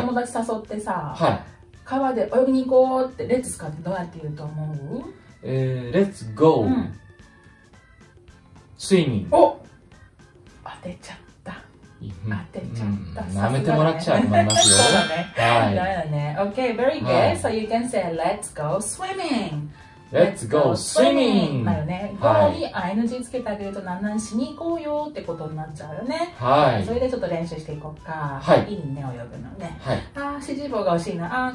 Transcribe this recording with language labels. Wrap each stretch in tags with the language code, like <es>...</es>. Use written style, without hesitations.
<ja>友達誘ってさ、はい、川で泳ぎに行こうって、レッツかってどうやって言うと思う？</ja> <en>レッツゴー。</en> <ja>うん、</ja> <en>スイミング。</en> <ja>お、当てちゃった。当てちゃった。舐めてもらっちゃいますよ。そうだね。はい。だよね。</ja> <en>Okay, very good.、</en> <ja>はい、</ja> <en>so you can say, let's go swimming. Let's go swimming.</en> <ja>だよね。はい、ゴーに ING つけてあげると、なんなんしに行こうよってことになっちゃうよね。はい。それでちょっと練習していこうか。はい。いいね、泳ぐのね。はい。あー、指示棒が欲しいな。</ja>